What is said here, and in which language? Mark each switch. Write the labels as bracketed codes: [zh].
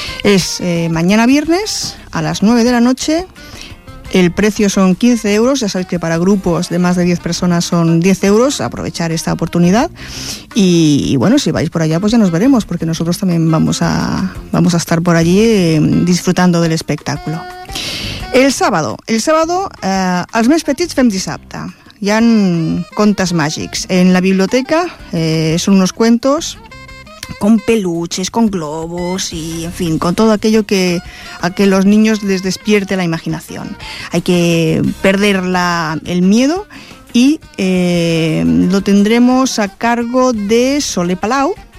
[es] Es mañana viernes a las 9 de la noche. El precio son 15 euros, ya sabéis que para grupos de más de 10 personas son 10 euros, aprovechar esta oportunidad. Y bueno, si vais por allá, pues ya nos veremos, porque nosotros también vamos a estar por allí disfrutando del espectáculo. El sábado, [ca] els més petits fem dissabte. Hi ha contes màgics en la biblioteca, són uns [es] cuentos con peluches, con globos y, en fin, con todo aquello que a que los niños les despierte la imaginación. Hay que perder el miedo y lo tendremos a cargo de Sole Palau.